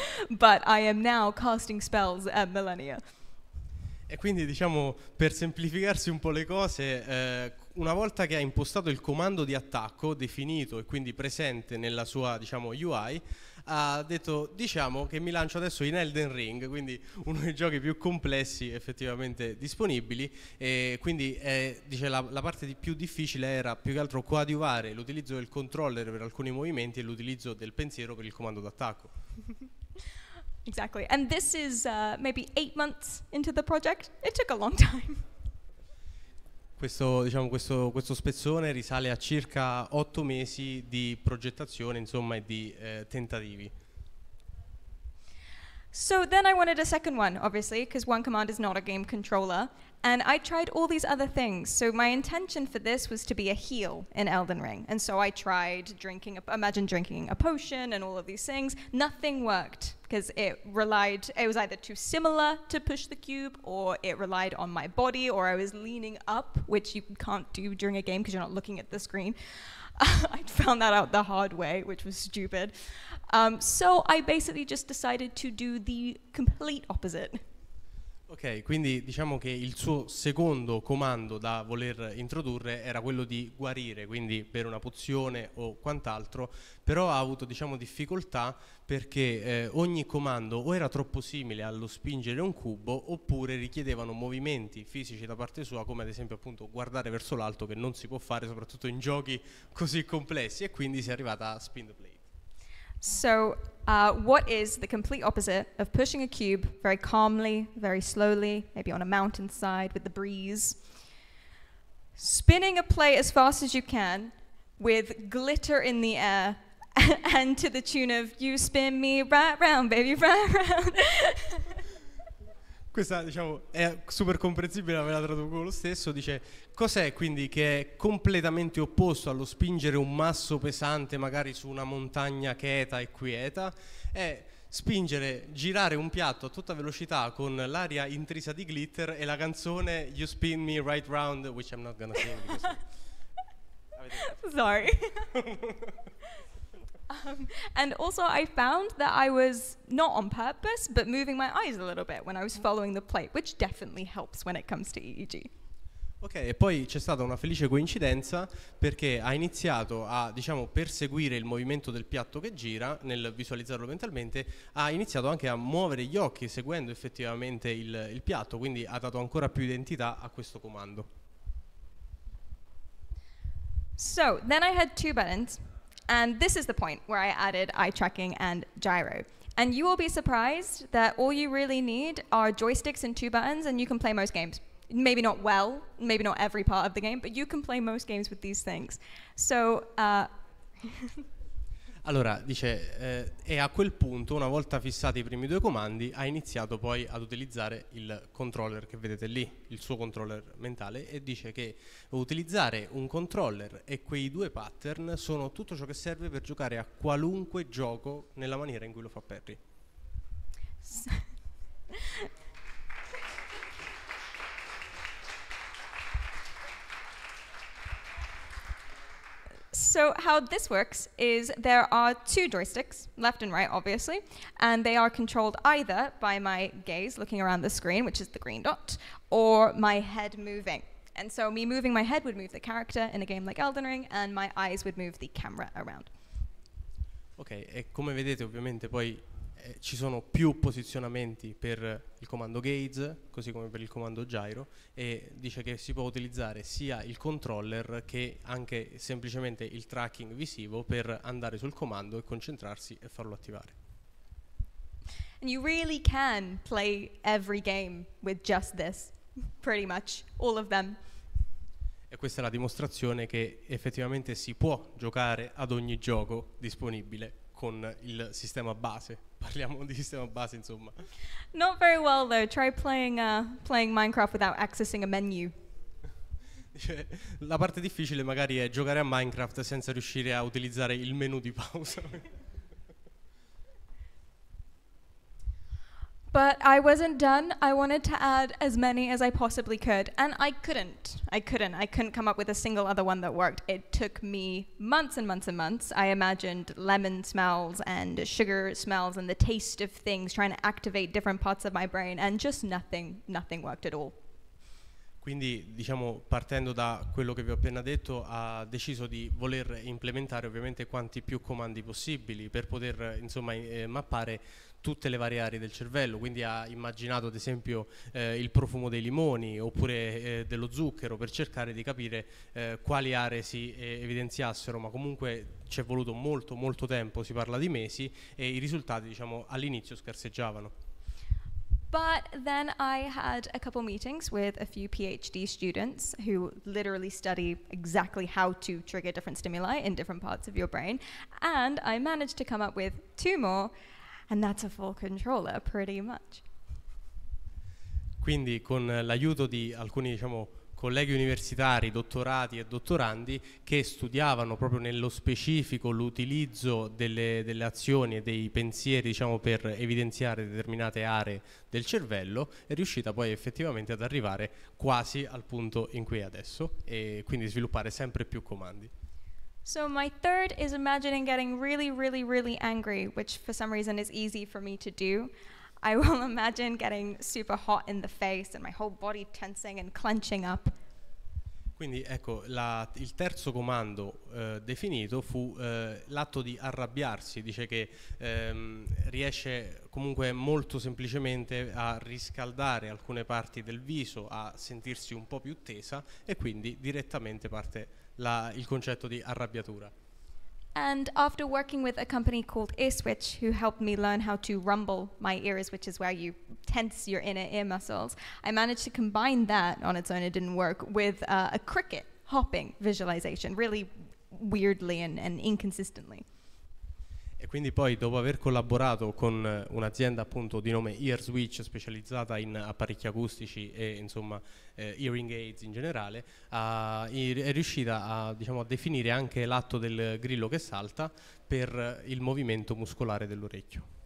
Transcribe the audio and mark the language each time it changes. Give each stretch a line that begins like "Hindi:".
English: but I am now casting spells at Millennia.
Italian: E quindi, diciamo, per semplificarsi un po' le cose, una volta che ha impostato il comando di attacco definito e quindi presente nella sua, diciamo, UI, ha detto, diciamo, che mi lancio adesso in Elden Ring, quindi uno dei giochi più complessi effettivamente disponibili, e quindi dice la parte più difficile era più che altro coadiuvare l'utilizzo del controller per alcuni movimenti e l'utilizzo del pensiero per il comando d'attacco.
English: Exactly, and this is maybe 8 months into the project. It took a long time.
Italian: Questo, diciamo, questo spezzone risale a circa 8 mesi di progettazione, insomma, e di tentativi.
English: So then I wanted a second one, obviously, because one command is not a game controller. And I tried all these other things. So my intention for this was to be a heal in Elden Ring. And so I tried drinking a potion and all of these things. Nothing worked, because it was either too similar to push the cube, or it relied on my body, or I was leaning up, which you can't do during a game because you're not looking at the screen. I found that out the hard way, which was stupid. So I basically just decided to do the complete opposite.
Italian: Ok, quindi diciamo che il suo secondo comando da voler introdurre era quello di guarire, quindi bere una pozione o quant'altro, però ha avuto, diciamo, difficoltà perché ogni comando o era troppo simile allo spingere un cubo oppure richiedevano movimenti fisici da parte sua, come ad esempio appunto guardare verso l'alto, che non si può fare soprattutto in giochi così complessi, e quindi si è arrivata a
English: spin the blade. So what is the complete opposite of pushing a cube very calmly, very slowly, maybe on a mountainside with the breeze? Spinning a plate as fast as you can with glitter in the air and to the tune of "you spin me right round, baby, right round."
Italian: Questa, diciamo, è super comprensibile, ve la traduco lo stesso. Dice, cos'è quindi che è completamente opposto allo spingere un masso pesante magari su una montagna cheta e quieta? È spingere, girare un piatto a tutta velocità con l'aria intrisa di glitter e la canzone "You spin me right round",
English: which I'm not gonna sing. Sorry. and also I found that I was not on purpose, but moving my eyes a little bit when I was following the plate, which definitely helps when it comes to EEG.
Italian: Ok, e poi c'è stata una felice coincidenza perché ha iniziato a, diciamo, perseguire il movimento del piatto che gira, nel visualizzarlo mentalmente, ha iniziato anche a muovere gli occhi seguendo effettivamente il piatto, quindi ha dato ancora più identità a questo comando.
English: So, then I had two buttons, and this is the point where I added eye tracking and gyro. And you will be surprised that all you really need are joysticks and two buttons and you can play most games. Maybe not well, maybe not every part of the game, but you can play most games with these things. So,
Italian: Allora, dice, e a quel punto, una volta fissati i primi due comandi, ha iniziato poi ad utilizzare il controller che vedete lì, il suo controller mentale, e dice che utilizzare un controller e quei due pattern sono tutto ciò che serve per giocare a qualunque gioco nella maniera in cui lo fa Perry.
English: So how this works is there are two joysticks, left and right obviously, and they are controlled either by my gaze looking around the screen, which is the green dot, or my head moving. And so me moving my head would move the character in a game like Elden Ring, and my eyes would move the camera around.
Italian: Ok, e come vedete ovviamente poi ci sono più posizionamenti per il comando gaze, così come per il comando gyro, e dice che si può utilizzare sia il controller che anche semplicemente il tracking visivo per andare sul comando e concentrarsi e farlo attivare.
English: And you really can play every game with just this, pretty much all of them.
Italian: E questa è la dimostrazione che effettivamente si può giocare ad ogni gioco disponibile con il sistema base. Parliamo di sistema base, insomma.
English: Not very well though. Try playing Minecraft without accessing a menu.
Italian: La parte difficile magari è giocare a Minecraft senza riuscire a utilizzare il menu di pausa.
English: But I wasn't done. I wanted to add as many as I possibly could, and I couldn't. I couldn't come up with a single other one that worked. It took me months and months and months. I imagined lemon smells and sugar smells and the taste of things, trying to activate different parts of my brain, and just nothing worked at all.
Italian: Quindi, diciamo, partendo da quello che vi ho appena detto, ha deciso di voler implementare ovviamente quanti più comandi possibili per poter, insomma, mappare tutte le varie aree del cervello, quindi ha immaginato ad esempio il profumo dei limoni oppure dello zucchero per cercare di capire quali aree si evidenziassero, ma comunque ci è voluto molto molto tempo, si parla di mesi, e i risultati, diciamo, all'inizio scarseggiavano.
English: But then I had a couple meetings with a few PhD students who literally study exactly how to trigger different stimuli in different parts of your brain, and I managed to come up with two more. And that's a full controller, pretty much.
Italian: Quindi con l'aiuto di alcuni, diciamo, colleghi universitari, dottorati e dottorandi che studiavano proprio nello specifico l'utilizzo delle azioni e dei pensieri, diciamo, per evidenziare determinate aree del cervello, è riuscita poi effettivamente ad arrivare quasi al punto in cui è adesso e quindi sviluppare sempre più comandi.
English: So my third is imagining getting really, really, really angry, which for some reason is easy for me to do. I will imagine getting super hot in the face and my whole body tensing and clenching up.
Italian: Quindi ecco, il terzo comando definito fu l'atto di arrabbiarsi. Dice che riesce comunque molto semplicemente a riscaldare alcune parti del viso, a sentirsi un po' più tesa, e quindi direttamente parte il concetto di arrabbiatura.
English: And after working with a company called Earswitch, who helped me learn how to rumble my ears, which is where you tense your inner ear muscles, I managed to combine that on its own, it didn't work, with a cricket hopping visualization, really weirdly and inconsistently.
Italian: E quindi poi, dopo aver collaborato con un'azienda appunto di nome Earswitch, specializzata in apparecchi acustici e insomma hearing aids in generale, è riuscita a, diciamo, a definire anche l'atto del grillo che salta per il movimento muscolare dell'orecchio.